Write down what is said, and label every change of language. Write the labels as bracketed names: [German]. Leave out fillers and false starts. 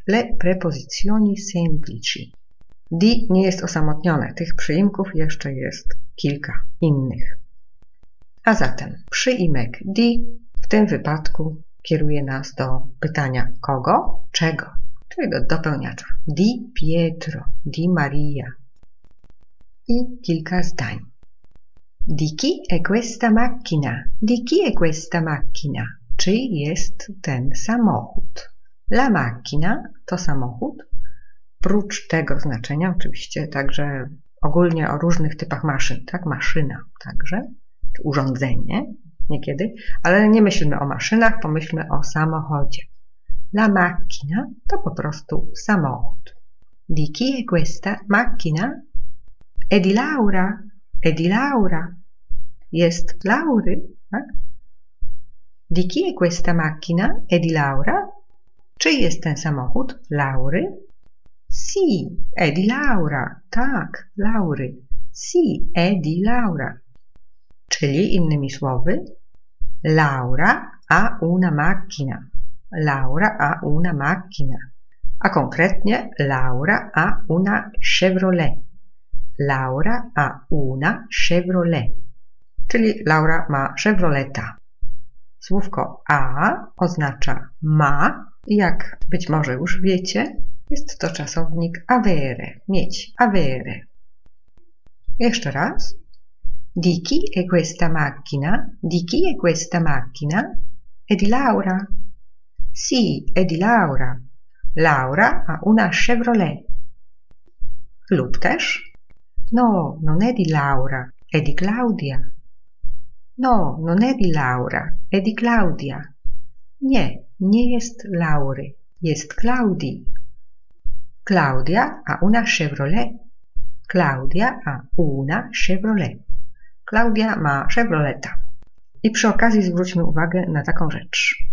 [Italian] Le preposizioni semplici. [Polish] Di nie jest osamotnione. Tych przyimków jeszcze jest kilka innych. A zatem przyimek di w tym wypadku kieruje nas do pytania kogo, czego. Czyli do dopełniacza. [Italian] Di Pietro, di Maria. [Polish] I kilka zdań. [Italian] Di chi è questa macchina? Di chi è questa macchina? [Polish] Czy jest ten samochód? La macchina to samochód. Prócz tego znaczenia, oczywiście, także ogólnie o różnych typach maszyn, tak? Maszyna także, czy urządzenie niekiedy, ale nie myślmy o maszynach, pomyślmy o samochodzie. La macchina to po prostu samochód. [Italian] Di chi è questa macchina? È di Laura. È di Laura. [Polish] Jest Laury, tak? [Italian] Di chi è questa macchina? È di Laura? [Polish] Czy jest ten samochód? Laury? [Italian] Sì, è di Laura. [Polish] Tak, Laury. [Italian] Sì, è di Laura. [Polish] Czyli innymi słowy, [Italian] Laura ha una macchina. Laura ha una macchina. [Polish] A konkretnie, [Italian] Laura ha una Chevrolet. Laura ha una Chevrolet. [Polish] Czyli Laura ma Chevroleta. Słówko a oznacza ma i jak być może już wiecie, jest to czasownik avere, mieć, avere. Jeszcze raz. [Italian] Di chi è questa macchina? Di chi è questa macchina? È di Laura. Sì, è di Laura. Laura ha una Chevrolet. [Polish] Lub też [Italian] No, non è di Laura, è di Claudia. No, non è di Laura, è di Claudia. [Polish] Nie, nie jest Laure, jest Claudi. [Italian] Claudia ha una Chevrolet. Claudia ha una Chevrolet. [Polish] Claudia ma Chevroletta. I przy okazji zwróćmy uwagę na taką rzecz.